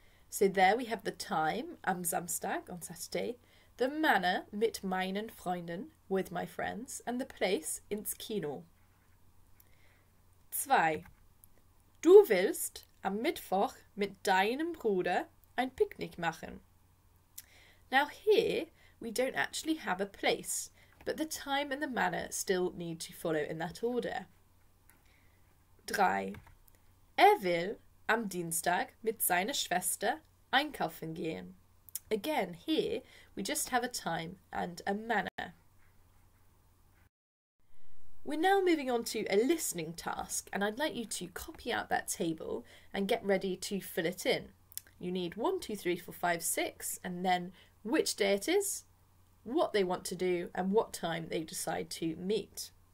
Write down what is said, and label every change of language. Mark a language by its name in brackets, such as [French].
[English] So there we have the time, [German] am Samstag, [English] on Saturday, the manner, [German] mit meinen Freunden, [English] with my friends, and the place, [German] ins Kino. Zwei. Du willst am Mittwoch mit deinem Bruder ein Picknick machen. [English] Now here we don't actually have a place, but the time and the manner still need to follow in that order. [German] Drei. Will am Dienstag mit seiner Schwester einkaufen gehen. [English] Again, here we just have a time and a manner. We're now moving on to a listening task, and I'd like you to copy out that table and get ready to fill it in. You need 1, 2, 3, 4, 5, 6, and then which day it is, what they want to do, and what time they decide to meet.